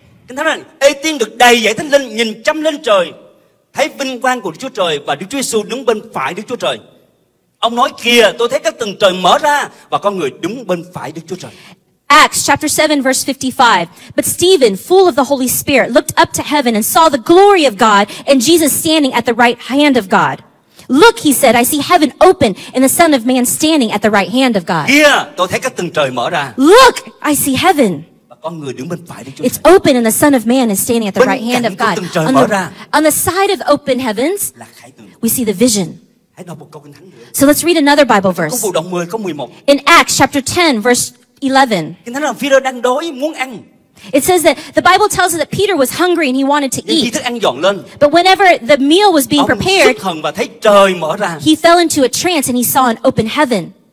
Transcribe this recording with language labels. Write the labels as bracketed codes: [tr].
[vi] Kinh Thánh nói, Ê tiên được đầy dậy thánh linh, nhìn chăm lên trời, thấy vinh quang của Đức Chúa Trời và Đức Chúa Giêsu đứng bên phải Đức Chúa Trời. Ông nói, kìa, tôi thấy các tầng trời mở ra và con người đứng bên phải Đức Chúa Trời. [en] Acts chapter 7 verse 55. But Stephen, full of the Holy Spirit, looked up to heaven and saw the glory of God and Jesus standing at the right hand of God. Look, he said, I see heaven open and the Son of Man standing at the right hand of God. [vi] Kìa, tôi thấy các tầng trời mở ra. [en] Look, I see heaven. [vi] Và con người đứng bên phải Đức Chúa. [en] It's open and the Son of Man is standing at the right hand of God. [vi] Bên cạnh của tầng trời mở ra. [en] On the side of open heavens, [vi] là khải tượng. [en] We see the vision. [vi] Hãy đọc một câu kinh thánh nữa. [en] So let's read another Bible verse. [vi] Có vụ động 10, có 11. [en] In Acts chapter 10 verse 11. [vi] Kinh thánh là Phi-rơ đang đói muốn ăn. [en] It says that the Bible tells us that Peter was hungry and he wanted to eat. But whenever the meal was being prepared, he fell into a trance and he saw an open heaven.